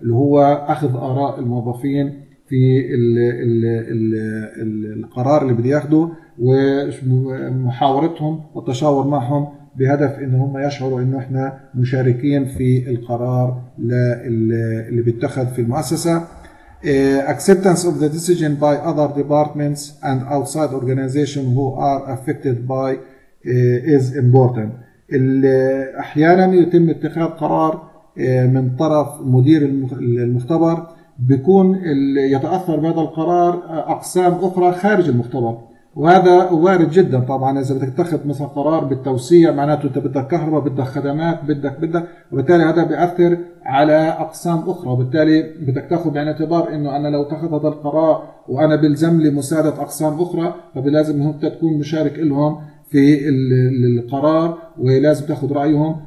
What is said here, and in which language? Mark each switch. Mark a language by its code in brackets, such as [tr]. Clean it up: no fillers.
[ar] اللي هو اخذ اراء الموظفين في الـ الـ الـ الـ القرار اللي بده ياخده ومحاورتهم والتشاور معهم بهدف ان هم يشعروا انه احنا مشاركين في القرار اللي بيتخذ في المؤسسه. [en] Acceptance of the decision by other departments and outside organizations who are affected by is important. [ar] احيانا يتم اتخاذ قرار من طرف مدير المختبر بيكون يتاثر بهذا القرار اقسام اخرى خارج المختبر، وهذا وارد جدا طبعا. اذا بدك تتخذ مثلا قرار بالتوسيع معناته انت بدك كهرباء، بدك خدمات، بدك، وبالتالي هذا بيأثر على اقسام اخرى، وبالتالي بدك تاخذ بعين الاعتبار انه انا لو اتخذ هذا القرار وانا بلزم لي مساعده اقسام اخرى، فبلازم انت تكون مشارك لهم في القرار ولازم تاخذ رايهم.